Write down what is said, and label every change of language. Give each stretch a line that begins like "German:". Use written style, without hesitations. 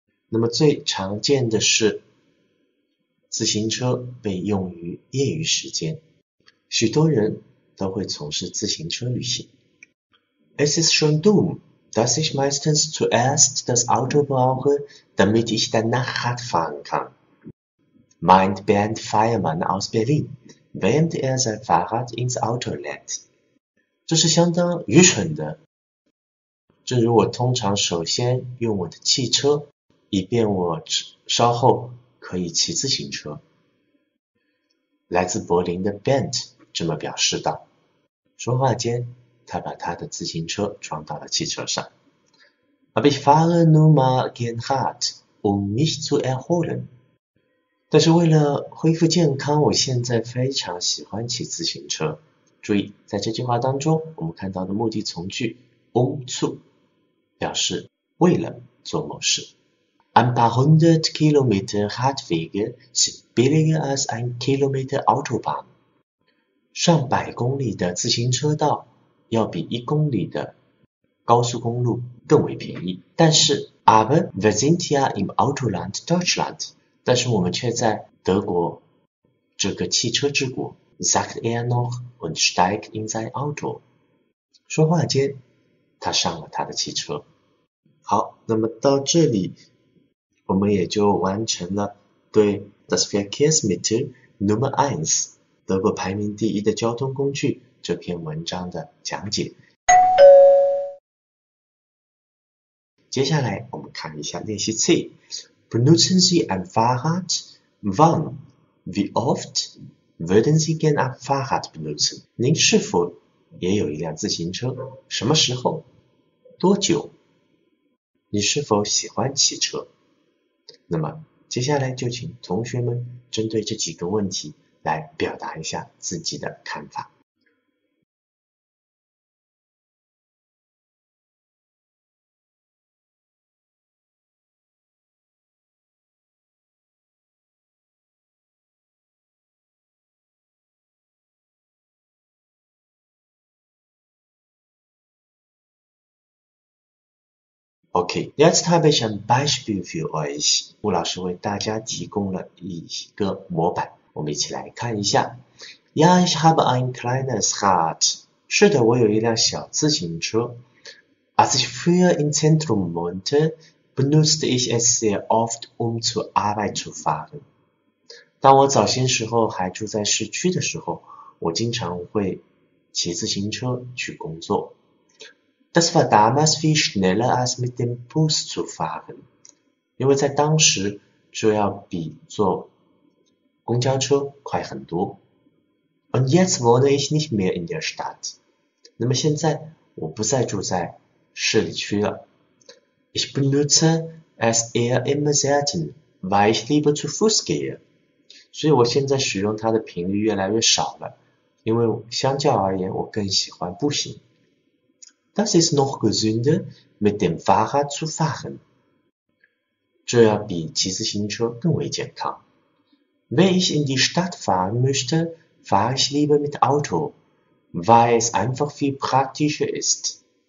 Chinese: 那么最常见的是自行车被用于业余时间，许多人都会从事自行车旅行。
German: Es ist schon dumm, dass ich meistens zuerst das Auto brauche, damit ich danach Rad fahren kann. Meint Bernd Feiermann aus Berlin, während er sein Fahrrad ins Auto lädt.
Chinese: 这是相当愚蠢的。正如我通常首先用我的汽车，以便我稍后可以骑自行车。来自柏林的 Bent 这么表示道。说话间，他把他的自行车装到了汽车上。
German: Aber ich fahre nur mal gern hart, um mich zu erholen.
Chinese: 但是为了恢复健康，我现在非常喜欢骑自行车。注意，在这句话当中，我们看到的目的从句 umzu。表示为了做某事。
German: Ein paar hundert Kilometer Radwege sind billiger als ein Kilometer Autobahn.
Chinese: 上百公里的自行车道要比一公里的高速公路更为便宜。但是
German: ,Aber wir sind ja im Autoland Deutschland,
Chinese: 但是我们却在德国这个汽车之国
German: ,sagt er noch und steigt in sein Auto.
Chinese: 说话间他上了他的汽车。好，那么到这里我们也就完成了对
German: Das Verkehrsmittel Nummer 1
Chinese: 德国排名第一的交通工具这篇文章的讲解。接下来我们看一下练习 C。
German: Benutzen Sie ein Fahrrad? Wann? Wie oft? Würden Sie gerne ein Fahrrad benutzen?
Chinese: 您是否也有一辆自行车？什么时候？多久？你是否喜欢骑车？那么接下来就请同学们针对这几个问题来表达一下自己的看法。
German: Okay, jetzt habe ich ein Beispiel für euch.
Chinese: 吴老师为大家提供了一个模板，我们一起来看一下。
German: Ja, ich habe ein kleines Rad.
Chinese: 是的，我有一辆小自行车。
German: Als ich früher im Zentrum wohnte, benutzte ich es sehr oft, um zur Arbeit zu fahren.
Chinese: 当我早些时候还住在市区的时候，我经常会骑自行车去工作。
German: Das war damals viel schneller als mit dem Bus zu fahren，
Chinese: 因为在当时就要比坐公交车快很多。
German: Und jetzt wohne ich nicht mehr in der Stadt，
Chinese: 那么现在我不再住在市里区了。
German: Ich benutze es eher immer selten, weil ich lieber zu Fuß gehe，
Chinese: 所以我现在使用它的频率越来越少了，因为相较而言我更喜欢步行。
German: Das ist noch gesünder, mit dem Fahrrad zu fahren.
Chinese: 这要比骑自行车更为健康。
German: Wenn ich in die Stadt fahren möchte, fahre ich lieber mit Auto, weil es einfach viel praktischer ist.